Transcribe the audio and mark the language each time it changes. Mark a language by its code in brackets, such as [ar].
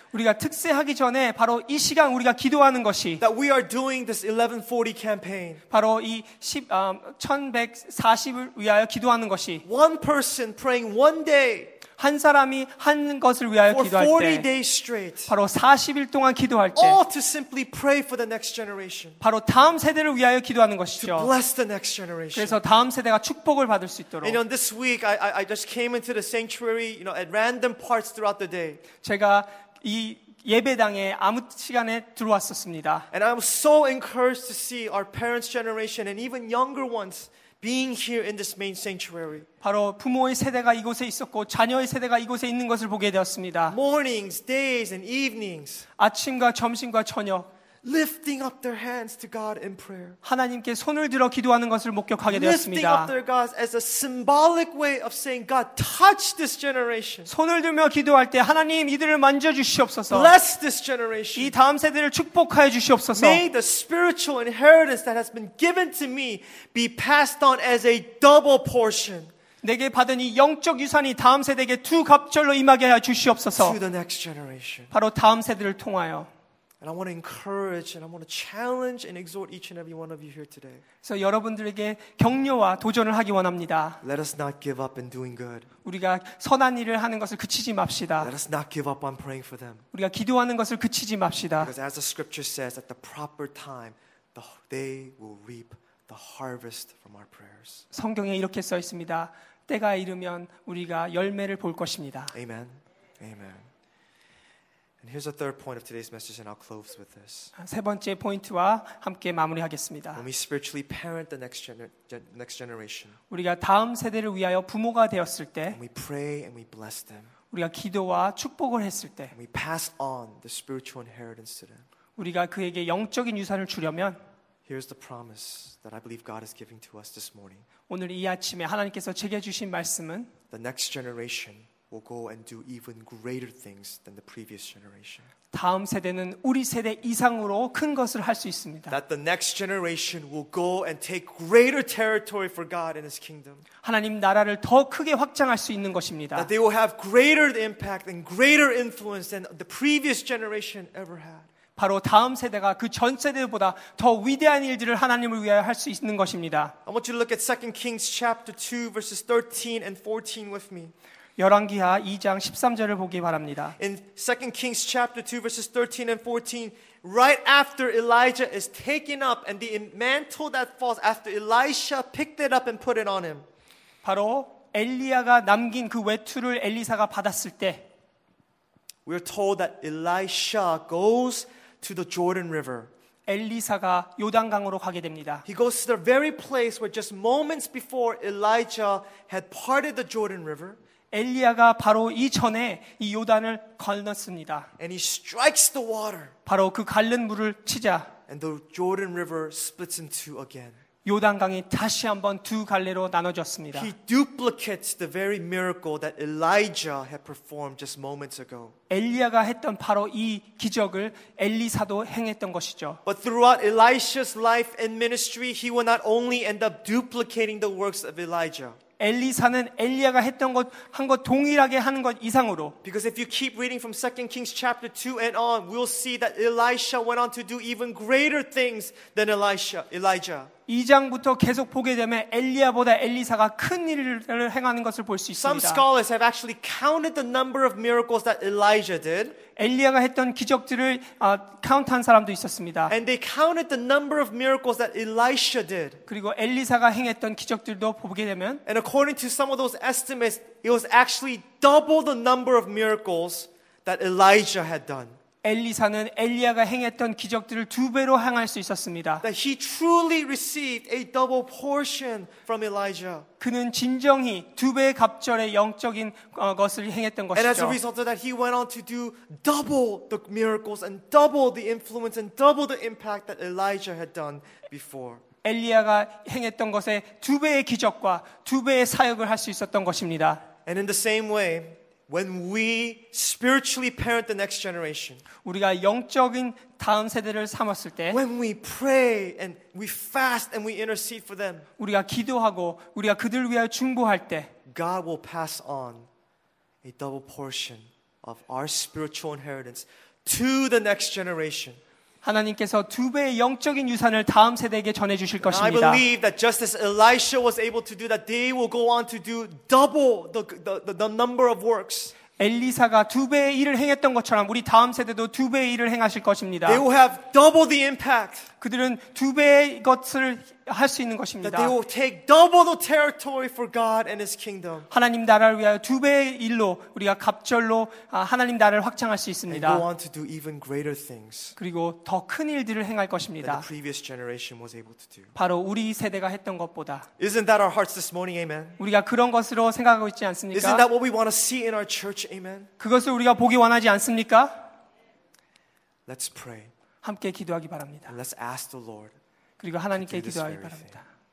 [ko] 우리가 특세하기 전에 바로 이 시간 우리가 기도하는 것이 [en] that we are doing this 1140 campaign. [ko] 바로 이 1140을 위하여 기도하는 것이 [en] one person praying one day. [ko] 한 사람이 한 것을 위하여 [en] for [ko] 기도할 때 [en] 40 days straight, [ko] 바로 40일 동안 기도할 때 [en] all to simply pray for the next generation, [ko] 바로 다음 세대를 위하여 기도하는 것이죠. [en] To bless the next generation. [ko] 그래서 다음 세대가 축복을 받을 수 있도록. [en] And on this week I just came into the sanctuary, you know, at random parts throughout the day. [ko] 제가 이 예배당에 아무 시간에 들어왔었습니다. [en] And I'm so encouraged to see our parents' generation and even younger ones being here in this main sanctuary. [ko] 바로 부모의 세대가 이곳에 있었고 자녀의 세대가 이곳에 있는 것을 보게 되었습니다. [en] Mornings, days, and evenings. [ko] 아침과 점심과 저녁. [en] Lifting up their hands to God in prayer. [ko] 하나님께 손을 들어 기도하는 것을 목격하게 되었습니다. [en] Lifting up their God as a symbolic way of saying, God, touch this generation. [ko] 손을 들며 기도할 때 하나님 이들을 만져 주시옵소서. [en] Bless this generation. [ko] 이 다음 세대를 축복하여 주시옵소서. [en] May the spiritual inheritance that has been given to me be passed on as a double portion. [ko] 내게 받은 이 영적 유산이 다음 세대에게 두 갑절로 임하게 하여 주시옵소서. [en] To the next generation. [ko] 바로 다음 세대를 통하여. [en] And I want to encourage and I want to challenge and exhort each and every one of you here today. [ko] So 여러분들에게 격려와 도전을 하기 원합니다. [en] Let us not give up in doing good. [ko] 우리가 선한 일을 하는 것을 그치지 맙시다. [en] Let us not give up on praying for them. [ko] 우리가 기도하는 것을 그치지 맙시다. [en] Because as the scripture says, at the proper time, they will reap the harvest from our prayers. [ko] 성경에 이렇게 써 있습니다. 때가 이르면 우리가 열매를 볼 것입니다. [en] Amen. Amen. And here's the third point of today's message, and I'll close with this. [ko] 세 번째 포인트와 함께 마무리하겠습니다. [en] When we spiritually parent the next generation, [ko] 우리가 다음 세대를 위하여 부모가 되었을 때, [en] and we pray and we bless them, [ko] 우리가 기도와 축복을 했을 때, [en] and we pass on the spiritual inheritance to them, [ko] 우리가 그에게 영적인 유산을 주려면, [en] here's the promise that I believe God is giving to us this morning. [ko] 오늘 이 아침에 하나님께서 제게 주신 말씀은, [en] the next generation. Will go and do even greater things than the previous generation. [ko] 다음 세대는 우리 세대 이상으로 큰 것을 할 수 있습니다. [en] That the next generation will go and take greater territory for God and His kingdom. [ko] 하나님 나라를 더 크게 확장할 수 있는 것입니다. [en] That they will have greater impact and greater influence than the previous generation ever had. [ko] 바로 다음 세대가 그 전 세대보다 더 위대한 일들을 하나님을 위하여 할 수 있는 것입니다. [en] I want you to look at 2 Kings chapter 2 verses 13 and 14 with me. [ko] 열왕기하 2장 13절을 보기 바랍니다. [en] In 2 Kings chapter 2 verses 13 and 14, right after Elijah is taken up and the mantle that falls after Elisha picked it up and put it on him. [ko] 바로 엘리야가 남긴 그 외투를 엘리사가 받았을 때 [en] we are told that Elisha goes to the Jordan River. [ko] 엘리사가 요단강으로 가게 됩니다. [en] He goes to the very place where just moments before Elijah had parted the Jordan River. [ko] 엘리야가 바로 이전에 이 요단을 건넜습니다. [en] And he strikes the water. [ko] 바로 그 갈른 물을 치자. [en] And the Jordan River splits in two again. [ko] 요단강이 다시 한번 두 갈래로 나눠졌습니다. [en] He duplicates the very miracle that Elijah had performed just moments ago. [ko] 엘리야가 했던 바로 이 기적을 엘리사도 행했던 것이죠. [en] But throughout Elisha's life and ministry, he will not only end up duplicating the works of Elijah. [ko] 엘리사는 엘리야가 했던 것 한 것 동일하게 하는 것 이상으로 [en] Because if you keep reading from 2 Kings chapter 2 and on, we'll see that Elisha went on to do even greater things than Elijah. [ko] 2장부터 계속 보게 되면 엘리야보다 엘리사가 큰 일을 행하는 것을 볼 수 있습니다. [en] Some scholars have actually counted the number of miracles that Elijah did. [ko] 엘리야가 했던 기적들을 카운트한 사람도 있었습니다. [en] And they counted the number of miracles that Elisha did. [ko] 그리고 엘리사가 행했던 기적들도 보게 되면 [en] And according to some of those estimates, it was actually double the number of miracles that Elijah had done. [ko] 엘리사는 엘리야가 행했던 기적들을 두 배로 행할 수 있었습니다. [en] That he truly received a double portion from Elijah. [ko] 그는 진정히 두 배의 갑절의 영적인 것을 행했던 것이죠. [en] And as a result of that, he went on to do double the miracles and double the influence and double the impact that Elijah had done before. [ko] 엘리야가 행했던 것에 두 배의 기적과 두 배의 사역을 할 수 있었던 것입니다. [en] And in the same way, When we spiritually parent the next generation, [ko] 우리가 영적인 다음 세대를 삼았을 때, [en] when we pray and we fast and we intercede for them, [ko] 우리가 기도하고 우리가 그들 위하여 중보할 때, [en] God will pass on a double portion of our spiritual inheritance to the next generation. [ko] 하나님께서 두 배의 영적인 유산을 다음 세대에게 전해 주실 것입니다. [en] I believe that just as Elisha was able to do that, they will go on to do double the number of works. [ko] 엘리사가 두 배의 일을 행했던 것처럼 우리 다음 세대도 두 배의 일을 행하실 것입니다. [en] They will have double the impact. [ko] 그들은 두 배의 것을 할 수 있는 것입니다. [en] That they will take double the territory for God and His kingdom. [ko] 하나님 나라를 위하여 두 배의 일로 우리가 갑절로 하나님 나라를 확장할 수 있습니다. [en] And go on to do even greater things. [ko] 그리고 더 큰 일들을 행할 것입니다. [en] That the previous generation was able to do. [ko] 바로 우리 세대가 했던 것보다. [en] Isn't that our hearts this morning, Amen? [ko] 우리가 그런 것으로 생각하고 있지 않습니까? [en] Isn't that what we want to see in our church, Amen? [ko] 그것을 우리가 보기 원하지 않습니까? [en] Let's pray. [ko] 함께 기도하기 바랍니다. [en] Let's ask the Lord. [ko] 그리고 하나님께 기도하기 바랍니다.